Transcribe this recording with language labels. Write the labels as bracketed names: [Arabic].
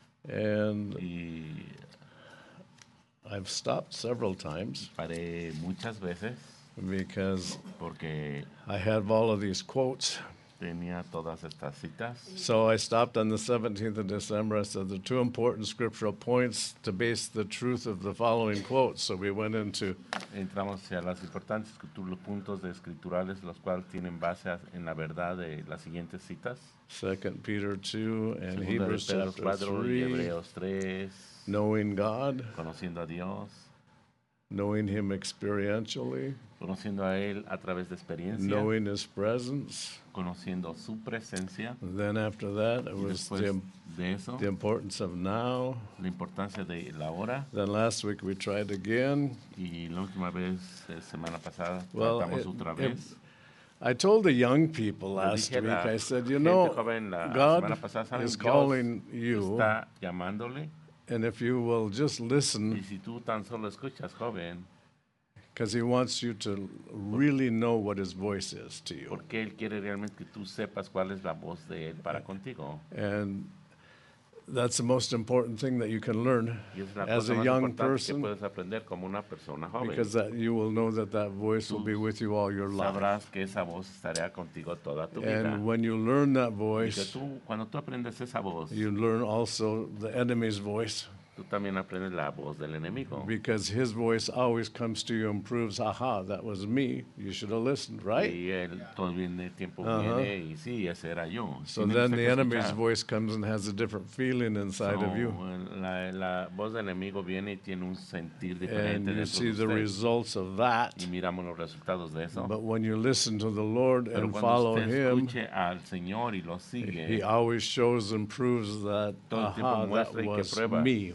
[English] And I've stopped several times. [Spanish] Paré muchas veces. [English] Because [Spanish] porque [English] I have all of these quotes. [Spanish] Tenía todas estas citas. [English] So I stopped on the 17th of December. I said the two important scriptural points to base the truth of the following quotes. So we went into. [Spanish] Entramos a las importantes los puntos de escriturales los cuales tienen base en la verdad de las siguientes citas. [English] 2 Peter 2 and Hebrews chapter 3. [Spanish] Hebreos 3. [English] Knowing God. [Spanish] Conociendo a Dios. [English] Knowing Him experientially. [Spanish] Conociendo a él a través de experiencia. [English] Knowing His presence. [Spanish] Conociendo su presencia. [English] Then after that, it was the importance of now. [Spanish] La importancia de la hora. [English] Then last week we tried again. [Spanish] Y la última vez, semana pasada, tratamos otra vez. [English] I told the young people last week, I said, you know, God is calling you. [Spanish] Está llamándole. [English] And if you will just listen. [Spanish] Y si tú tan solo escuchas, joven. [English] Because he wants you to really know what his voice is to you. [Spanish] Porque él quiere realmente que tú sepas cuál es la voz de él para contigo. [English] And that's the most important thing that you can learn as a young person. [Spanish] Que puedes aprender como una persona joven. [English] Because that you will know that that voice will be with you all your life. [Spanish] Sabrás que esa voz estará contigo toda tu vida. [English] And when you learn that voice, [Spanish] y que tú, cuando tú aprendes esa voz, [English] you learn also the enemy's voice. [Spanish] Tú también aprendes la voz del enemigo. [English] Because his voice always comes to you and proves, aha, that was me. You should have listened, right? [Spanish] Y él también el tiempo viene y sí, ese era yo. [English] So then the enemy's voice comes and has a different feeling inside of you. [Spanish] La voz del enemigo viene y tiene un sentir diferente. [English] And you see the results of that. [Spanish] Y miramos los resultados de eso. [English] But when you listen to the Lord and follow him, [Spanish] al Señor y lo sigue, [English] he always shows and proves that, aha, that was me.